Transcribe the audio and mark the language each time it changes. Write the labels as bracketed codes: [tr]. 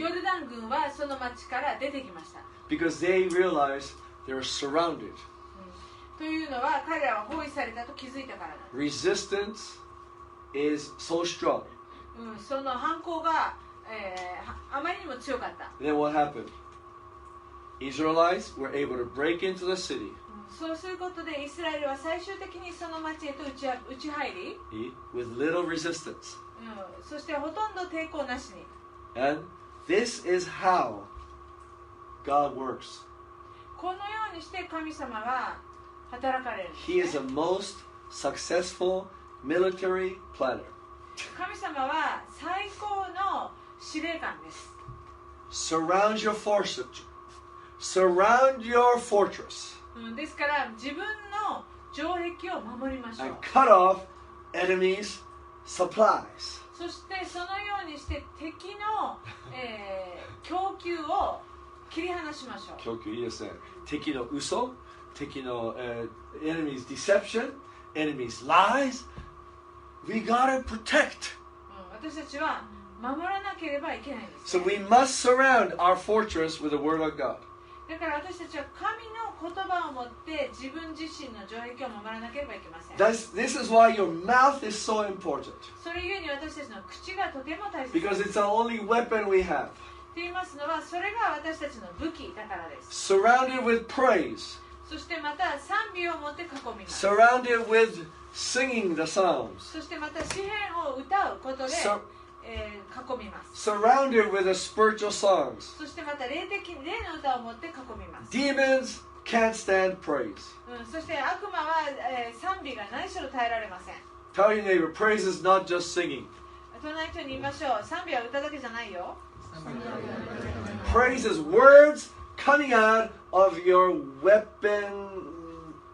[ja] ヨルダン軍はその町から出てきました。 [en] Because they realized they were surrounded. [ja] というのは彼らは包囲されたと気づいたからだ。 [en] Resistance is so strong. [ja] その反抗が、あまりにも強かった。 [en] Then what happened? Israelites were able to break into the city. [ja] そうすることでイスラエルは最終的にその町へと打ち入り [en] With little resistance. [ja] そしてほとんど抵抗なしに [en] And this is how God works. [ja] このようにして神様は働かれるんですね。 [en] He is the most successful military planner. [ja] 神様は最高の司令官です。 [en] Surround your fortress. [ja] ですから自分の城壁を守りましょう。 [en] And cut off enemies' supplies. [ja] そしてそのようにして敵の、供給を切り離しましょう。供給いいですね。敵の嘘、敵の、 [en] enemies' deception, enemies' lies. We gotta protect. [ja] 私たちは守らなければいけないです、ね。 [en] So we must surround our fortress with the word of God. [ja] だから私たちは神の言葉を持って自分自身の城壁を守らなければいけません。 [en] This is why your mouth is so important. [ja] それゆえに私たちの口がとても大切です。 [en] Because it's the only weapon we have. [ja] と言いますのはそれが私たちの武器だからです。 [en] Surrounded with praise. [ja] そしてまた賛美を持って囲みます。 [en] Surrounded with singing the psalms. [ja] そしてまた詩編を歌うことで。囲みます。 [en] Surrounded with the spiritual songs. [ja] そしてまた霊の歌を持って囲みます。 [en] Demons can't stand praise. [ja] そして悪魔は、賛美が何しろ耐えられません。 [en] Tell your neighbor, praise is not just singing. [ja] 隣の人に言いましょう。賛美は歌だけじゃないよ。 [en] Praise is words coming out of your weapon.